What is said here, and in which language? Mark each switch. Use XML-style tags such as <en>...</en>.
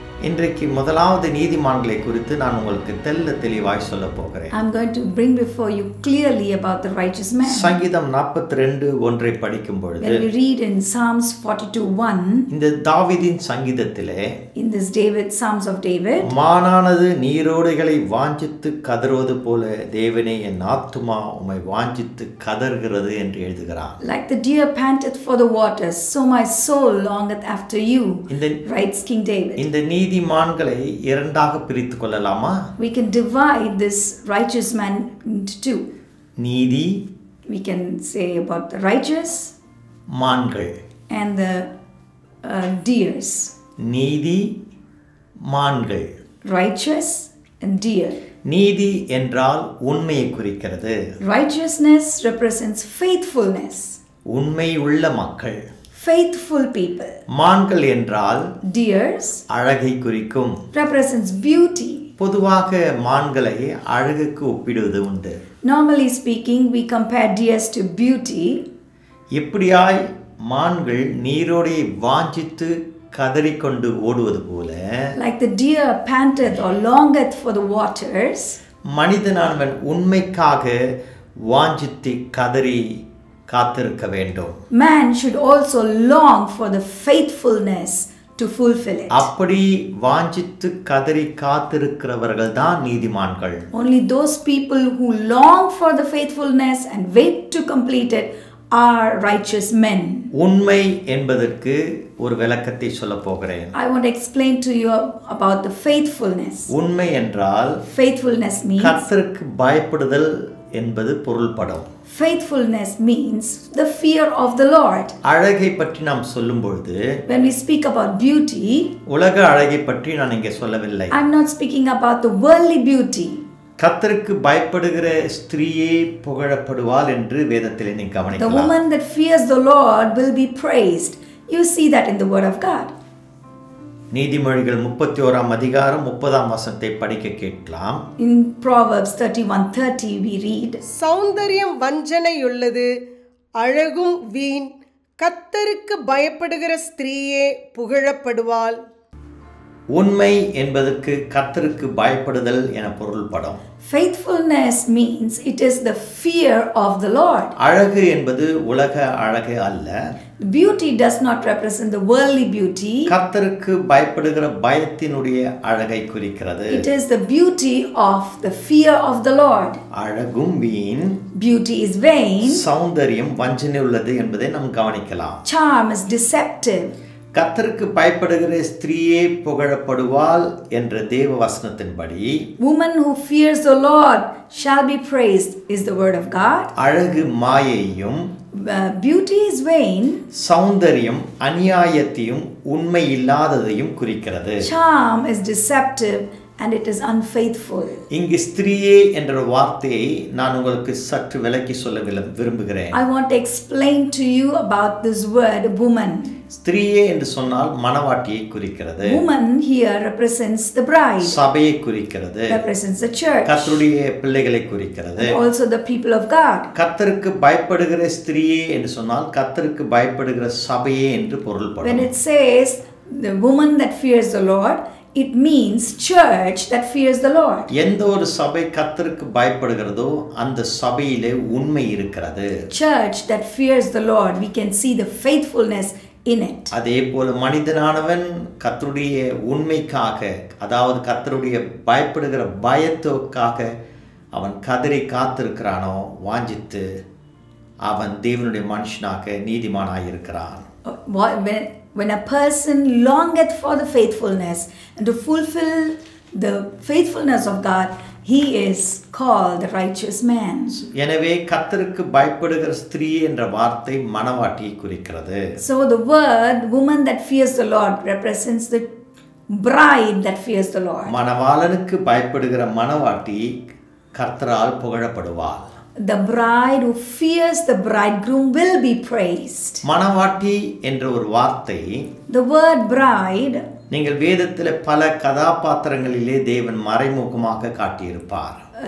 <ta>இன்றைக்கு முதலாவது நீதிமான்களை குறித்து நான் உங்களுக்கு தெல்ல தெளிவாய் சொல்ல போகிறேன்.</ta> <en>I'm going to bring before you clearly about the righteous man.</en> <ta>சங்கீதம் 42:1 படிக்கும் பொழுது,</ta> <en>when we read in Psalms 42:1,</en> <ta>இந்த தாவீதின் சங்கீதத்திலே,</ta> <en>in this David's Psalms of David,</en> <ta>மானானது நீரோடைகளை வாஞ்சித்து கதறுவது போல தேவனே என் ஆத்துமா உம்மை வாஞ்சித்து கதறுகிறது என்று எழுதுகிறார்.</ta> <en>Like the deer panteth for the waters, so my soul longeth after you, writes King David.</en> <ta>இந்த நீதிமான்களை இரண்டாக பிரித்துக் கொள்ளலாமா?</ta> <en>We can divide this righteous man into two.</en> <ta>நீதி,</ta> <en>we can say about the righteous,</en> <ta>மான்கள்,</ta> <en>and the deers.</en> <ta>நீதி, மான்கள,</ta> <en>righteous and deer.</en> <ta>நீதி என்றால் உண்மையை குறிக்கிறது.</ta> <en>Righteousness represents faithfulness.</en> <ta>உண்மை உள்ள மக்கள்.</ta> <en>Faithful people.</en> <ta>மான்கள் என்றால்</ta> <en>deers.</en> <ta>அழகை குறிக்கும்.</ta> <en>Represents beauty.</en> <ta>பொதுவாக மான்களை அழகுக்கு ஒப்பிடுவது உண்டு.</ta> <en>Normally speaking, we compare deers to beauty.</en> <ta>எப்படியாய் மான்கள் நீரோடை வாஞ்சித்து கதறிக்கொண்டு ஓடுவது போல,</ta> <en>like the deer panteth or longeth for the waters,</en> <ta>மனிதனானவன் உண்மைக்காக வாஞ்சித்து கதறி காத்திருக்க வேண்டும்.</ta> <en>Man should also long for the faithfulness to fulfill it.</en> <ta>அப்படி வாஞ்சித்து கதறி காத்திருக்கிறவர்கள் தான் நீதிமான்கள்.</ta> <en>Only those people who long for the faithfulness and wait to complete it are righteous men.</en> <ta>உண்மை என்பதற்கு ஒரு விளக்கத்தை சொல்ல போகிறேன்.</ta> <en>I want to explain to you about the faithfulness.</en> <ta>உண்மை என்றால்</ta> <en>faithfulness means</en> <ta>கர்த்தருக்கு பயப்படுதல் என்பது பொருள்படும்.</ta> <en>Faithfulness means the fear of the Lord.</en> <ta>அழகை பற்றி நாம் சொல்லும்பொழுது</ta> <en>when we speak about beauty,</en> <ta>உலக அழகை பற்றி நான் இங்கே சொல்லவில்லை.</ta> <en>I'm not speaking about the worldly beauty.</en> <ta>கர்த்தருக்கு பயப்படுகிற ஸ்திரீயே புகழப்படுவாள் என்று வேதத்திலே நீ கவனிக்கலாம்.</ta> <en>The woman that fears the Lord will be praised. You see that in the word of God.</en> <ta>நீதிமொழிகள் 31 அதிகாரம் 30 வசனத்தை படிக்க கேட்கலாம்.</ta> <en>In Proverbs 31:30 we read,</en> <ta>சௌந்தரியம் வஞ்சனையுள்ளது, அழகும் வீண், கர்த்தருக்கு பயப்படுகிற ஸ்திரீயே புகழப்படுவாள். உண்மை என்பதற்கு கர்த்தருக்கு பயப்படுதல் என பொருள்படும்.</ta> <en>Faithfulness means it is the fear of the Lord.</en> <ta>அழகு என்பது உலக அழகு அல்ல.</ta> <en>Beauty does not represent the worldly beauty.</en> <ta>கர்த்தருக்கு பயப்படுகிற பயத்தினுடைய அழகை குறிக்கிறது.</ta> <en>It is the beauty of the fear of the Lord.</en> <ta>அழகும் வீண்,</ta> <en>beauty is vain.</en> <ta>சௌந்தரியம் வஞ்சனை உள்ளது என்பதை நாம் கவனிக்கலாம்.</ta> <en>Charm is deceptive.</en> <ta>கர்த்தருக்கு பயப்படுகிற ஸ்திரீயே புகழப்படுவாள் என்ற தேவ வசனத்தின்படி</ta> <en>Woman who fears the Lord shall be praised is the word of God.</en> <ta>அழகு மாயையும்</ta> <en>beauty is vain.</en> <ta>சௌந்தரியம் அநியாயத்தையும் உண்மை இல்லாததையும் குறிக்கிறது.</ta> <en>Charm is deceptive and it is unfaithful.</en> <ta>இங்கு ஸ்திரீயே என்ற வார்த்தையை நான் உங்களுக்கு சற்று விளக்கி சொல்ல விரும்புகிறேன்.</ta> <en>I want to explain to you about this word woman.</en> <ta>ஸ்திரீயே என்று சொன்னால் மனவாட்டியை குறிக்கிறது.</ta> <en>Woman here represents the bride.</en> <ta>சபையை குறிக்கிறது.</ta> <en>Represents the church.</en> <ta>கர்த்தருடைய பிள்ளைகளை குறிக்கிறது.</ta> <en>Also the people of God.</en> <ta>கர்த்தருக்கு பயப்படுகிற ஸ்திரீயே என்று சொன்னால் கர்த்தருக்கு பயப்படுகிற சபையே என்று பொருள்படும்.</ta> <en>When it says the woman that fears the Lord, it means church that fears the Lord.</en> <ta>எந்த ஒரு சபை கர்த்தருக்கு பயப்படுகிறதோ அந்த சபையிலே உண்மை இருக்கிறது.</ta> <en>Church that fears the Lord, we can see the faithfulness in it.</en> <ta>அதே போல மனிதனானவன் கர்த்தருடைய உண்மைக்காக, அதாவது கர்த்தருடைய பயப்படுகிற பயத்துக்காக அவன் கதறி காத்திருக்கிறானோ, வாஞ்சித்து அவன் தேவனுடைய மனுஷனாக நீதிமானாயிருக்கிறான்.</ta> <en>When a person longeth for the faithfulness and to fulfill the faithfulness of God, he is called the righteous man.</en> <ta>எனவே கர்த்தருக்கு பயப்படுகிற ஸ்திரீ என்ற வார்த்தை மனவாட்டியை குறிக்கிறது.</ta> <en>So the word woman that fears the Lord represents the bride that fears the Lord.</en> <ta>மணவாளனுக்கு பயப்படுகிற மனவாட்டி கர்த்தரால் புகழப்படுவாள்.</ta> <en>The bride who fears the bridegroom will be praised.</en> <ta>மனவாட்டி என்ற ஒரு வார்த்தை,</ta> <en>the word bride,</en> <ta>நீங்கள் வேதத்தில் பல கதாபாத்திரங்களிலே தேவன் மறைமுகமாக காட்டியிருப்பார்.</ta>